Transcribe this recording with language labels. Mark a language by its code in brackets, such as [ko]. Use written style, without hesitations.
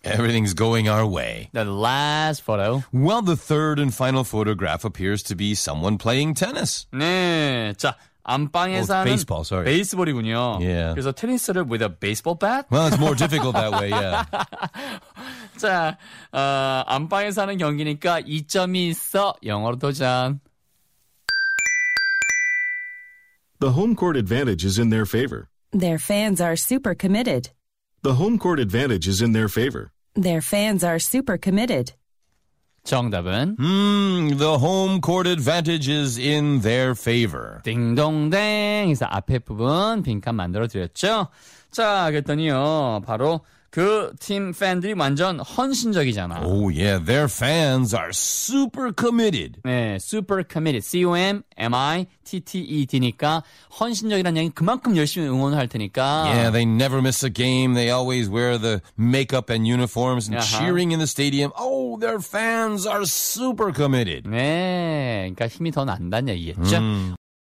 [en] Everything's going our way. The last photo. Well, the third and final photograph appears to be someone playing tennis. [ko] 네, 자. 안방에서는 [en] baseball, sorry. [ko] 베이스볼이군요. [en] Yeah. [ko] 그래서 테니스를 [en] with a baseball bat? Well, it's more difficult that way, yeah. [ko] 자, 안방에서는 경기니까 2점이 있어. 영어로 도전. [en] The home court advantage is in their favor. Their fans are super committed. The home court advantage is in their favor. Their fans are super committed. [ko] 정답은 [en] The home court advantage is in their favor. [ko] 딩동댕. 그래서 앞에 부분 빈칸 만들어드렸죠. 자, 그랬더니요. 바로 그 팀 팬들이 완전 헌신적이잖아. [en] Oh yeah, their fans are super committed. [ko] 네, [en] super committed. [ko] C-O-M-M-I-T-T-E-D니까 헌신적이라는 얘기는 그만큼 열심히 응원을 할 테니까. [en] Yeah, they never miss a game. They always wear the makeup and uniforms and cheering in the stadium. Oh, their fans are super committed. [ko] 네, 그러니까 힘이 더 난다는 얘기겠죠.